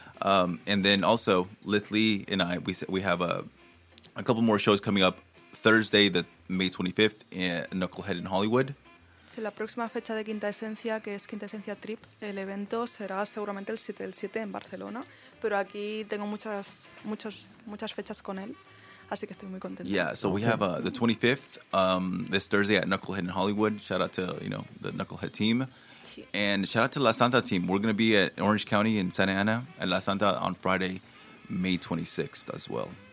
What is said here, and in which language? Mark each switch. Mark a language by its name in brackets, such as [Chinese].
[English] And then also, Lith Lee and I, we have a couple more shows coming up Thursday, the May 25th, in Knucklehead in Hollywood. [Spanish] Sí, la próxima fecha de Quinta Esencia, que es Quinta Esencia Trip, el evento será seguramente el 7 del 7 en Barcelona. Pero aquí tengo muchas fechas con él. Así que estoy muy contenta. [English] Yeah, so we have the 25th this Thursday at Knucklehead in Hollywood. Shout out to, you know, the Knucklehead team. [Spanish] Sí. [English] And shout out to La Santa team. We're going to be at Orange County in Santa Ana at La Santa on Friday, May 26th as well.